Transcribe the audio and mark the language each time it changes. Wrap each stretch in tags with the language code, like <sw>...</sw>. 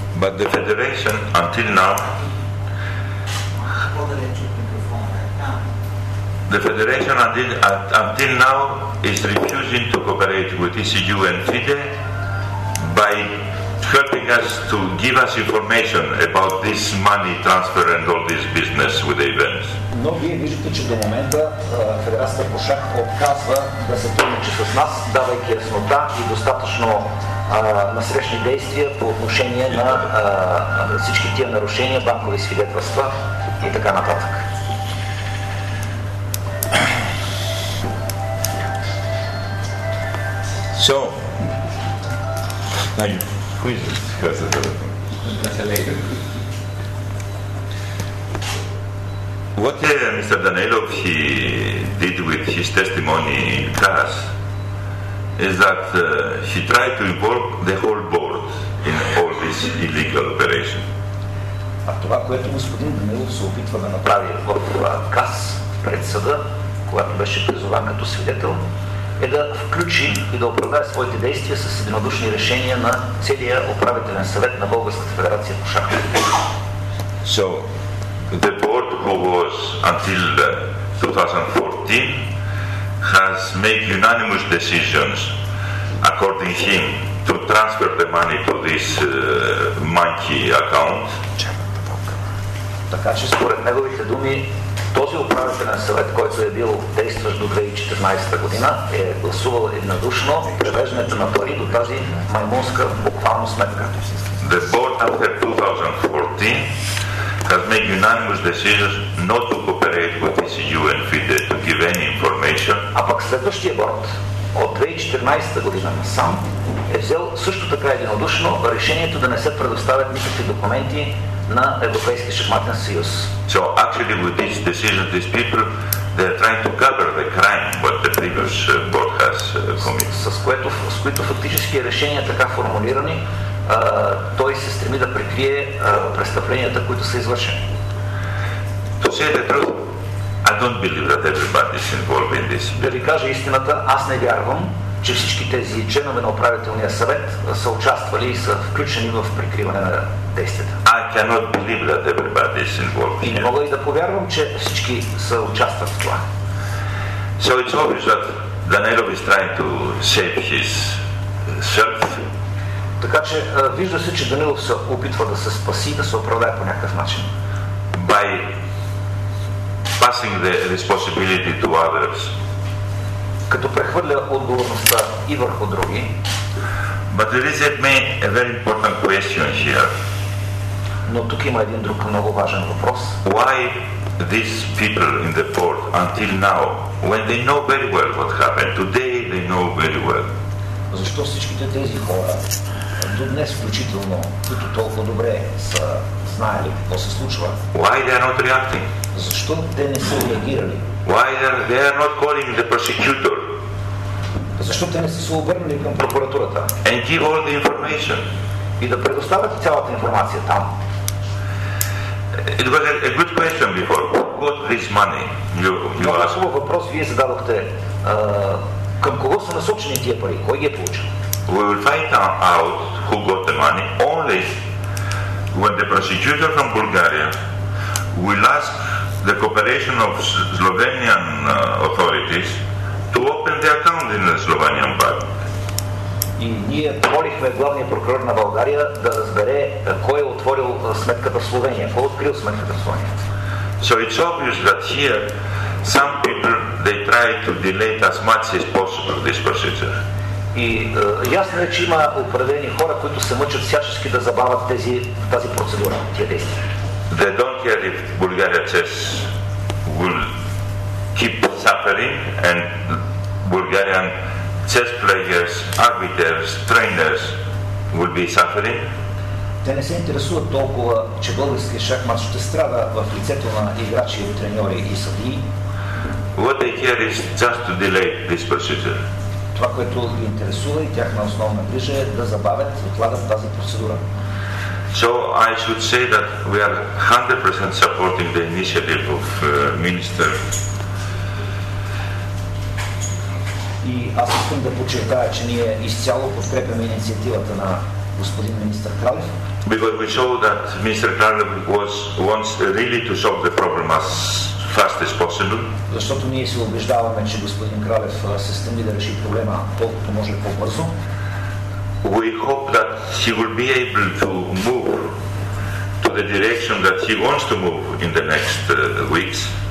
<en>But the federation, until now, the Federation until now is refusing to cooperate with ECU and FIDE by helping us to give us information about this money transfer and all this business with the events.</en> <bg>Но вие виждате, че до момента Федерацията по шах отказва да сътрудничи с нас, давайки яснота и достатъчно насрещни действия по отношение на всички тия нарушения, банкови свидетелства и така нататък.</bg> <en>So, now you quiz it, because that's a later. What Mr. Danailov he did with his testimony in CAS is that he tried to involve the whole board in all this illegal operation.</en> <bg>А това, което господин Данайлов се опитва да направи в КАС пред съда, когато беше призован като свидетел, е да включи и да оправдае своите действия с единодушни решения на целия управителен съвет на Българската федерация по шах.</bg> <en>So, the board who was until 2014 has made unanimous decisions according him to transfer the money to this monkey account.</en> <bg>Така че според неговите думи то Този управителен съвет, който е бил действащ до 2014 година, е гласувал еднодушно превеждането на пари до тази маймунска буквално сметка.</bg> <en>The board after 2014 has made unanimous decisions not to cooperate with ECU and FIDE to give any information.</en> <bg>А пък следващия борд от 2014 година насам е взел също така единодушно решението да не се предоставят никакви документи на Европейския шахматен съюз.</bg> <en>So actually with this decision these people they are trying to cover the crime what the previous board has committed.</en> <bg>С които фактически решения така формулирани той се стреми да прикрие престъпленията, които са извършени.</bg> <en>To say the truth, I don't believe that everybody is involved in this.</en> <bg>Да ви кажа истината, аз не вярвам, че всички тези членове на управителния съвет са участвали и са включени в прикриване на действията.</bg> <en>I cannot believe that everybody is involved.</en> <bg>И не мога и да повярвам, че всички са участвали в това.</bg> <en>So it's obvious that Danilov is trying to save his shirt.</en> <bg>Така че вижда се, че Данилов се опитва да се спаси и да се оправдае по някакъв начин.</bg> <en>By passing the responsibility to others.</en> <bg>Като прехвърля отговорността и върху други.</bg> <en>But there is a very important question here.</en> <bg>Но тук има един друг много важен въпрос.</bg> <en>Why these people in the port until now, when they know very well what happened, today they know very well.</en> <bg>Защо всичките тези хора до днес включително, които толкова добре са знаели какво се случва.</bg> <en>Why they are not reacting?</en> <bg>Защо те не са реагирали?</bg> <en>Why they are not calling the prosecutor?</en> <bg>Защо те не са се обърнали към прокуратурата?</bg> <en>And give all the information.</en> <bg>И да предоставят цялата информация там.</bg> <en>It was a good question before. Who got this money?</en> <bg>Много хубав въпрос вие зададохте. Към кого са насочени тия пари? Кой ги е получил?</bg> <en>We will find out who got the money only when the prosecutor from Bulgaria will ask the cooperation of Slovenian authorities to open the account in the Slovenian bank.</en> <bg>И ние молихме главния прокурор на България да разбере кой е отворил сметката в Словения, кой е открил сметката в Словения.</bg> <en>So it's obvious that here some people they try to delay as much as possible this procedure.</en> <bg>И ясно е, че има определени хора, които се мъчат всячески да забавят тази процедура, тия действия.</bg> <en>They don't care if Bulgaria chess will keep suffering and Bulgarian chess players, arbiters, trainers will be suffering.</en> <bg>Те не се интересуват толкова, че българския шахмат ще страда в лицето на играчи, треньори и съдии.</bg> <en>What they care is just to delay this procedure.</en> <bg>Това, което ги интересува и тяхна основна грижа е да забавят и отлагат тази процедура.</bg> <en>So I should say that we are 100% supporting the initiative of Minister.</en> <bg>И аз искам да подчертая, че ние изцяло подкрепяме инициативата на господин министър Кралев.</bg> <en>Because we saw that Mr. Kralev was wants really to solve the problem as fast as possible.</en> <bg>Защото ние се убеждаваме, че господин Кралев се стреми да реши проблема колкото може по-бързо.</bg> <en>We hope that he will be able to move to the direction that he wants to move in the next weeks.</en>